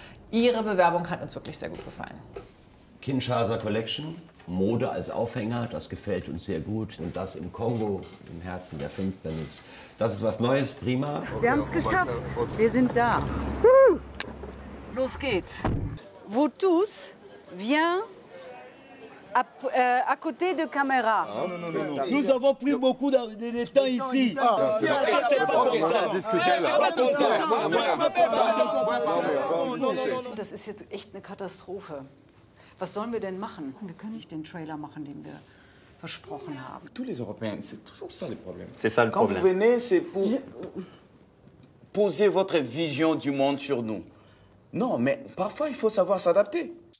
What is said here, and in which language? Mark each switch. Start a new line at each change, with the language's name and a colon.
German: Ihre Bewerbung hat uns wirklich sehr gut gefallen. Kinshasa Collection, Mode als Aufhänger, das gefällt uns sehr gut. Und das im Kongo, im Herzen der Finsternis. Das ist was Neues, prima. Wir haben es geschafft, wir sind da. Los geht's.
French: Votus vient à côté de caméra. Nous avons pris beaucoup de temps ici.
German: Das ist jetzt echt eine Katastrophe. Was sollen wir denn machen? Wir können nicht den Trailer machen, den wir versprochen haben.
French: Tous les Européens, c'est toujours ça le problème. C'est ça le problème. Quand vous venez, c'est pour poser votre vision du monde sur nous. Non, mais parfois il faut savoir s'adapter.